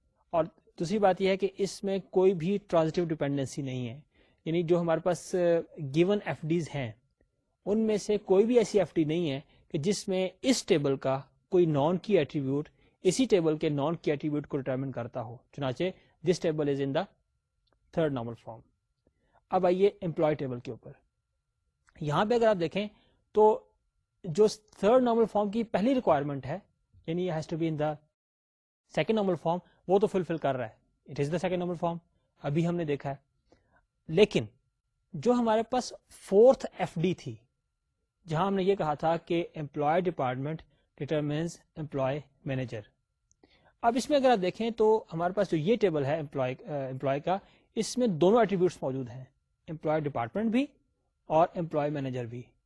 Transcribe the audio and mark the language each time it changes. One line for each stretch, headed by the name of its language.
Urdu: اور دوسری بات یہ ہے کہ اس میں کوئی بھی ٹرانزٹیو ڈیپینڈنسی نہیں ہے, یعنی جو ہمارے پاس گیون ایف ڈیز ہیں ان میں سے کوئی بھی ایسی ایف ڈی نہیں ہے کہ جس میں اس ٹیبل کا کوئی نان کی ایٹریبیوٹ اسی ٹیبل کے نان کی ایٹریبیوٹ کو ڈیٹرمن کرتا ہو.
English: چنانچہ this table is in the third normal form.
Urdu: اب آئیے امپلائی ٹیبل کے اوپر. یہاں پہ اگر آپ دیکھیں تو جو تھرڈ نارمل فارم کی پہلی ریکوائرمنٹ ہے, یعنی
English: has to be in the second normal form,
Urdu: وہ تو فلفل کر رہا ہے,
English: it is the second normal form,
Urdu: ابھی ہم نے دیکھا ہے. لیکن جو ہمارے پاس فورتھ ایف ڈی تھی جہاں ہم نے یہ کہا تھا کہ
English: employee department determines employee manager,
Urdu: اب اس میں اگر آپ دیکھیں تو ہمارے پاس جو یہ ٹیبل ہے امپلائی کا, اس میں دونوں ایٹریبیوٹس موجود ہیں, امپلائی ڈپارٹمنٹ بھی اور امپلائی مینیجر بھی.